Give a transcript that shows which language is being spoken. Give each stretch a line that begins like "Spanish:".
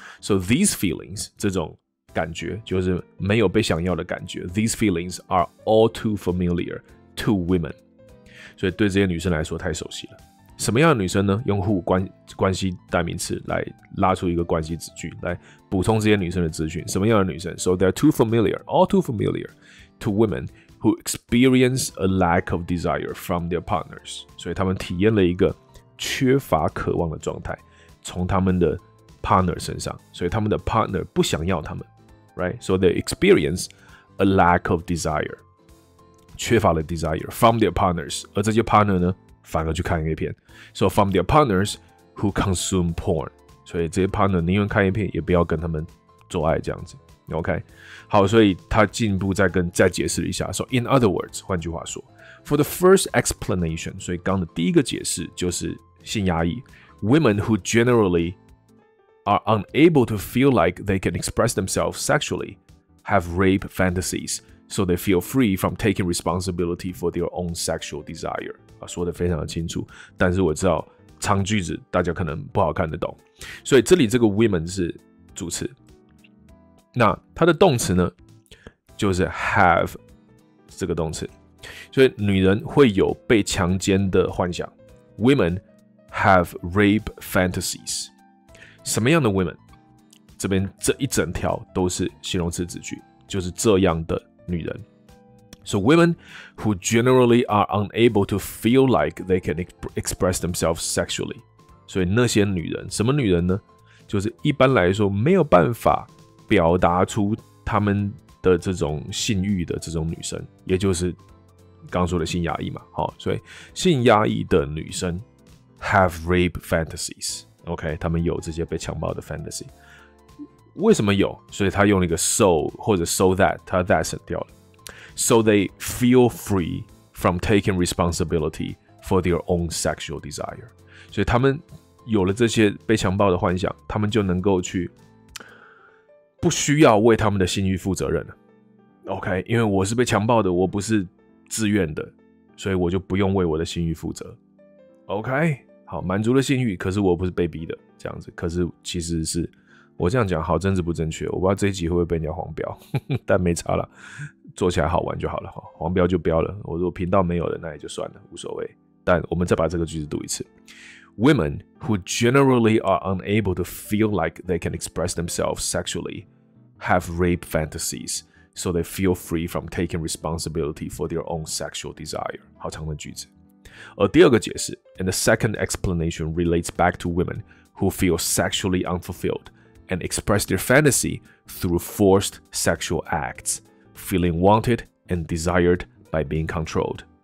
English: So these feelings
Chinese: 这种感觉就是没有被想要的感觉。
English: These feelings are all too familiar to women，
Chinese: 所以对这些女生来说太熟悉了。什么样的女生呢？用户关系代名词来拉出一个关系子句，来补充这些女生的资讯。什么样的女生
English: ？So they're too familiar, all too familiar to women who experience a lack of desire from their partners。
Chinese: 所以他们体验了一个缺乏渴望的状态，从他们的 partner 身上。所以他们的 partner 不想要他们 ，right？
English: So they experience a lack of desire，
Chinese: 缺乏了
English: desire from their partners。
Chinese: 而这些 partner 呢？反而去看 A 片 ，
English: so from their partners who consume porn，
Chinese: 所以这些 partner 宁愿看 A 片，也不要跟他们做爱这样子。 OK， 好，所以他进一步再解释一下。
English: So in other words，
Chinese: 换句话说
English: ，for the first explanation，
Chinese: 所以刚的第一个解释就是性压抑
English: ，women who generally are unable to feel like they can express themselves sexually have rape fantasies， so they feel free from taking responsibility for their own sexual desire。
Chinese: 说得非常的清楚，但是我知道长句子大家可能不好看得懂，所以这里这个 women 是主词，那它的动词呢就是 have 这个动词，所以女人会有被强奸的幻想，
English: women have rape fantasies。
Chinese: 什么样的 women？这边这一整条都是形容词子句，就是这样的女人。
English: So women who generally are unable to feel like they can express themselves sexually.
Chinese: 所以那些女人，什么女人呢？就是一般来说没有办法表达出他们的这种性欲的这种女生，也就是刚说的性压抑嘛。好，所以性压抑的女生
English: have rape fantasies.
Chinese: OK， 他们有这些被强暴的 fantasy。为什么有？所以他用了一个 so 或者 so that， 他 that 省掉了。
English: So they feel free from taking responsibility for their own sexual desire.
Chinese: 所以他们有了这些被强暴的幻想，他们就能够去不需要为他们的性欲负责任了。 OK， 因为我是被强暴的，我不是自愿的，所以我就不用为我的性欲负责。 OK， 好，满足了性欲，可是我不是被逼的这样子。可是其实是我这样讲，好政治不正确，我不知道这一集会不会被人家黄标，但没差了。做起来好玩就好了，黄标就标了，我如果频道没有了那也就算了，无所谓。但我们再把这个句子读一次。
English: Women who generally are unable to feel like they can express themselves sexually have rape fantasies, so they feel free from taking responsibility for their own sexual desire.
Chinese: 好长的句子。而第二个解释
English: And the second explanation relates back to women who feel sexually unfulfilled and express their fantasy through forced sexual actsfeeling wanted and desired by being controlled.